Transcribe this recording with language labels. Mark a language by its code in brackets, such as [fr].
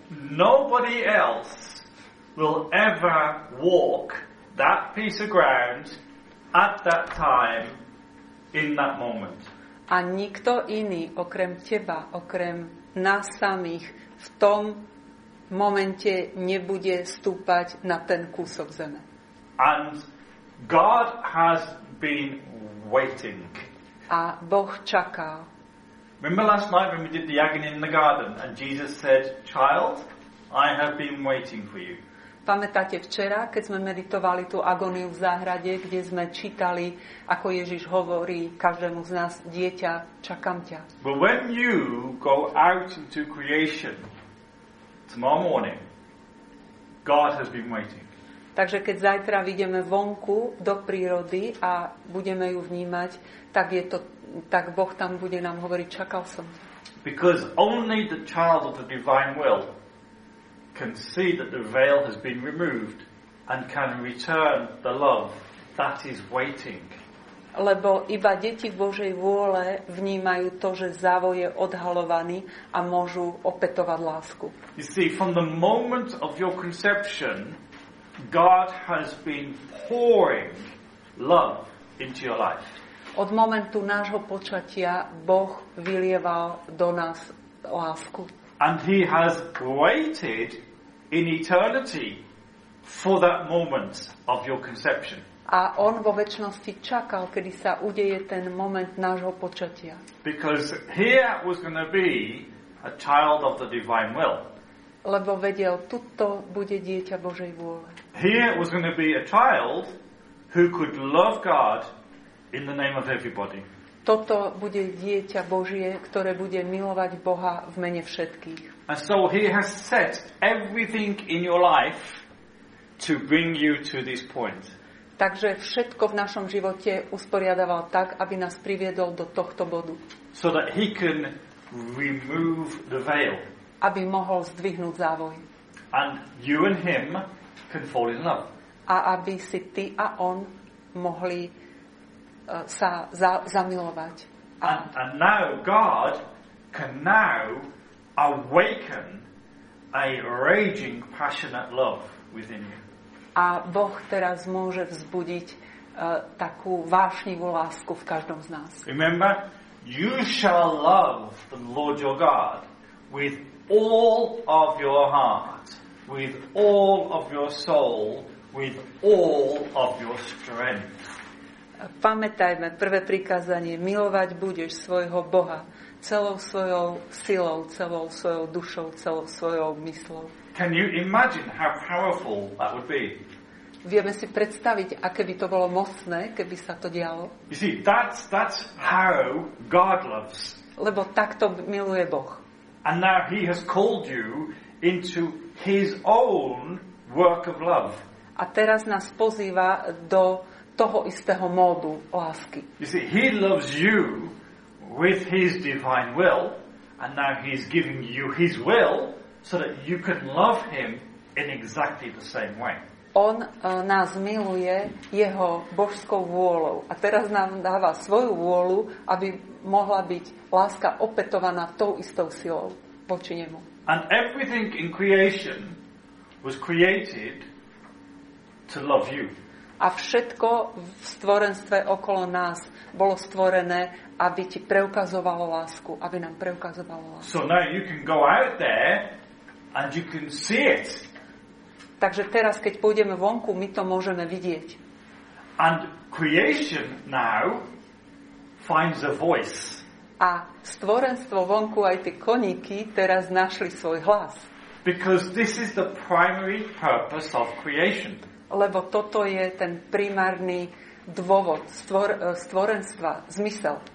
[en] And nobody else will ever walk that piece of ground at that time in that moment. [sk] A nikto iný okrem teba, okrem nás samých v tom v momente nebude stúpať na ten kúsok zeme. [en] And God has been waiting. [sk] A Boh čakal. [en] Remember last night when we did the agony in the garden and Jesus said, child, I have been waiting for you. [sk] Pamätáte včera, keď sme meditovali tú agóniu v záhrade, kde sme čítali, ako Ježiš hovorí každému z nás, dieťa, čakám ťa. [en] But when you go out into creation, tomorrow morning, God has been waiting. [sk] Takže keď zajtra vyjdeme vonku do prírody a budeme ju vnímať, tak je to, tak Boh tam bude nám hovoriť, čakal som. [en] Because only the child of the divine will can see that the veil has been removed and can return the love that is waiting. [sk] Lebo iba deti Božej vôle vnímajú to, že závoj je odhalovaný a môžu opätovať lásku. [en] You see, from the moment of your conception, God has been pouring love into your life. [sk] Od momentu nášho počatia Boh vylieval do nás lásku. [en] And he has waited in eternity for that moment of your conception. [sk] A on vo večnosti čakal, kedy sa udeje ten moment nášho počatia. [en] Because here was going to be a child of the divine will. [sk] Lebo vedel, tuto bude dieťa Božej vôle. [en] Here was going to be a child who could love God in the name of everybody. [sk] Toto bude dieťa Božie, ktoré bude milovať Boha v mene všetkých. [en] And so he has set everything in your life to bring you to this point. [sk] Takže všetko v našom živote usporiadaval tak, aby nás priviedol do tohto bodu. [en] So that he can remove the veil. [sk] Aby mohol zdvihnúť závoj. [en] And you and him can fall in love. [sk] A aby si ty a on mohli sa zamilovať. [en] And now God can now awaken a raging passionate love within you. [sk] A Boh teraz môže vzbudiť takú vášnivú lásku v každom z nás. [en] Remember, you shall love the Lord your God with all of your heart, with all of your soul, with all of your strength. [sk] Pamätajme prvé prikázanie, milovať budeš svojho Boha celou svojou silou, celou svojou dušou, celou svojou mysľou. [en] Can you imagine how powerful that would be? [sk] Vieme si predstaviť, aké by to bolo mocné, keby sa to dialo. [en] You see, that's how God loves. [sk] Lebo takto miluje Boh. [en] And now he has called you into his own work of love. [sk] A teraz nás pozýva do toho istého módu lásky. [en] You see, he loves you with his divine will, and now he's giving you his will so that you can love him in exactly the same way. [sk] On nás miluje jeho božskou vôľou a teraz nám dáva svoju vôľu, aby mohla byť láska opätovaná tou istou silou voči nemu. [en] And everything in creation was created to love you. [sk] A všetko v stvorenstve okolo nás bolo stvorené, aby ti preukazovalo lásku, aby nám preukazovalo lásku. [en] So now you can go out there and you can see it. [sk] Takže teraz, keď pôjdeme vonku, my to môžeme vidieť. [en] And creation now finds a voice. [sk] A stvorenstvo vonku, aj tie koníky, teraz našli svoj hlas. [en] Because this is the primary purpose of creation. [sk] Lebo toto je ten primárny dôvod stvorenstva, zmysel.